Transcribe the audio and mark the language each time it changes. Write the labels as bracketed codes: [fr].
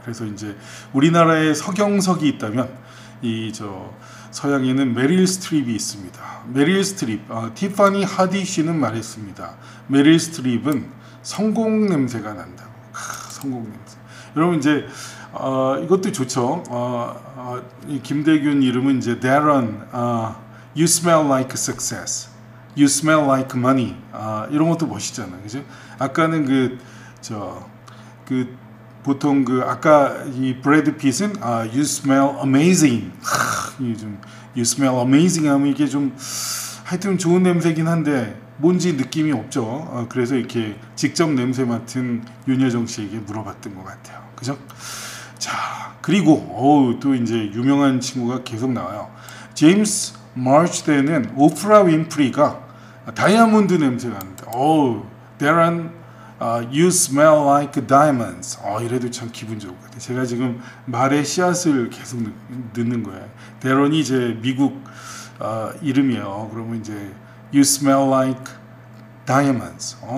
[ko] 그래서 이제 우리나라에 서경석이 있다면 이 저 서양에는 메릴 스트립이 있습니다. 메릴 스트립, 티파니 하디쉬는 말했습니다. 메릴 스트립은 성공 냄새가 난다고. 크, 성공 냄새. 여러분 이제 이것도 좋죠. 김대균 이름은 이제 [en] Darren, you smell like success, you smell like money. [ko] 이런 것도 멋있잖아요, 그죠? 아까는 그 보통 그 아까 이 브래드 핏은 [en] you smell amazing. [ko] 요즘 [en] you smell amazing [ko] 하면 이게 좀 하여튼 좋은 냄새긴 한데 뭔지 느낌이 없죠. 그래서 이렇게 직접 냄새 맡은 윤여정 씨에게 물어봤던 것 같아요. 그죠? 자 그리고 어우 또 이제 유명한 친구가 계속 나와요. 제임스 마르스덴은 오프라 윈프리가 다이아몬드 냄새가 나는데 어우 대란 [en] you smell like diamonds. [ko] 이래도 참 기분 좋을 것 같아요. 제가 지금 말의 씨앗을 계속 넣는 거예요. 대런이 이제 미국 이름이에요. 그러면 이제 [en] you smell like diamonds.